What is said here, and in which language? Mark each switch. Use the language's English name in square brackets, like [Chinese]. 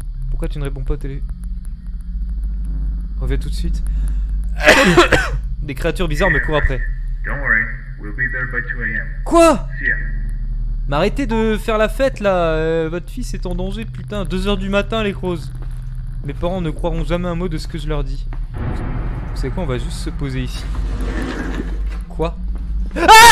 [French] Pourquoi tu ne réponds pas à télé? Reviens tout de suite. Des créatures bizarres me courent après. [English] Don't worry, we'll be there by 2 a.m. [French] Quoi? [English] See ya. [French] Mais arrêtez de faire la fête là, votre fils est en danger, putain. 2h du matin, les creuses. Mes parents ne croiront jamais un mot de ce que je leur dis. Vous savez quoi, on va juste se poser ici. Quoi? Ah!